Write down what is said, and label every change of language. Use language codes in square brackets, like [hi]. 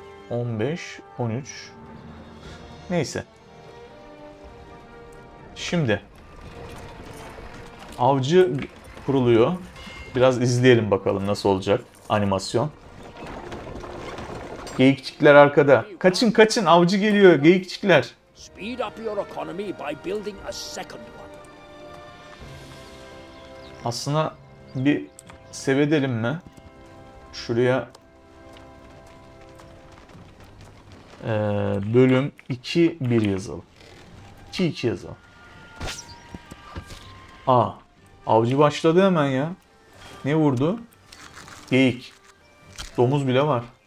[tr] 15, 13. Neyse. Şimdi avcı kuruluyor. Biraz izleyelim bakalım nasıl olacak animasyon. Geyikçikler arkada. Kaçın kaçın avcı geliyor geyikçikler. [en] Speed up your economy by building a second one. [tr] Aslında bir sevedelim mi? Şuraya bölüm 2-1 yazalım. 2-2 yazalım. Aa. Avcı başladı hemen ya. Ne vurdu? Geyik. Domuz bile var.